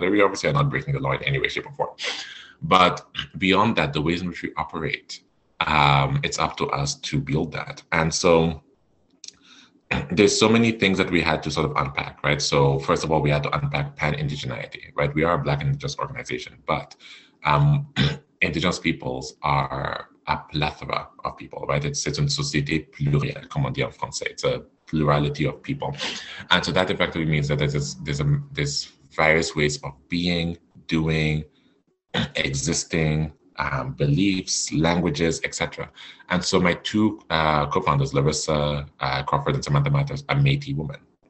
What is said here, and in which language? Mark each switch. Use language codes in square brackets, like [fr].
[en] We obviously are not breaking the law in any way, shape, or form. But beyond that, the ways in which we operate, it's up to us to build that. And so there's so many things that we had to sort of unpack, right? So first of all, we had to unpack pan-indigeneity, right? We are a Black Indigenous organization, but Indigenous peoples are a plethora of people, right? It's [fr] une société plurielle, comme on dit en français. [en] It's a plurality of people. And so that effectively means that there's various ways of being, doing, existing, beliefs, languages, etc. And so my two co-founders, Larissa Crawford and Samantha Matters, are Métis women.